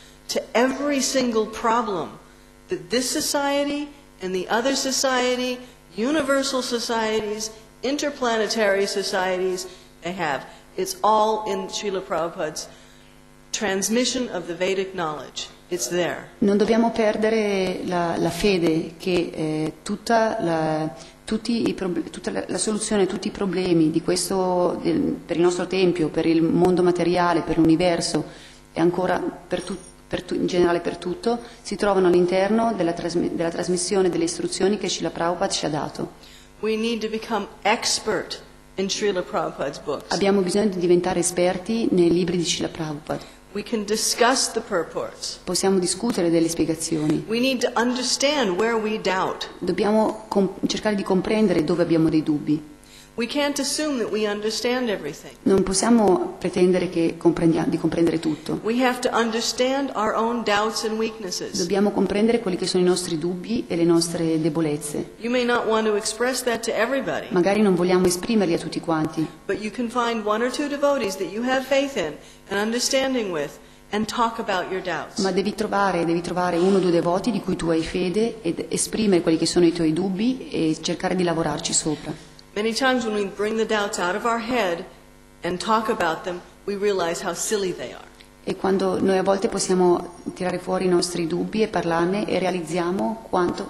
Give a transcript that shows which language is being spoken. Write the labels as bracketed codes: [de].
[en] to every single problem that this society and the other society, universal societies, interplanetary societies, they have. It's all in Srila Prabhupada's transmission of the Vedic knowledge. It's there. [it] Non dobbiamo perdere la fede che tutta la soluzione, tutti i problemi di questo, per il nostro tempio, per il mondo materiale, per l'universo e ancora in generale per tutto, si trovano all'interno della trasmissione delle istruzioni che Srila Prabhupada ci ha dato. [en] We need to become expert in Srila Prabhupada's books. [it] Abbiamo bisogno di diventare esperti nei libri di Srila Prabhupada. [en] We can discuss the purports. [it] Possiamo discutere delle spiegazioni. [en] We need to understand where we doubt. [it] Dobbiamo cercare di comprendere dove abbiamo dei dubbi. [en] We can't assume that we understand everything. [it] Non possiamo pretendere che comprendiamo di comprendere tutto. [en] We have to understand our own doubts and weaknesses. [it] Dobbiamo comprendere quelli che sono i nostri dubbi e le nostre debolezze. [en] You may not want to express that to everybody. [it] Magari non vogliamo esprimerli a tutti quanti. [en] But you can find one or two devotees that you have faith in and understanding with and talk about your doubts. [it] Ma devi trovare uno o due devoti di cui tu hai fede ed esprimere quelli che sono i tuoi dubbi e cercare di lavorarci sopra. [en] Many times when we bring the doubts out of our head and talk about them, we realize how silly they are. [it] E quando noi a volte possiamo tirare fuori i nostri dubbi e parlarne e realizziamo quanto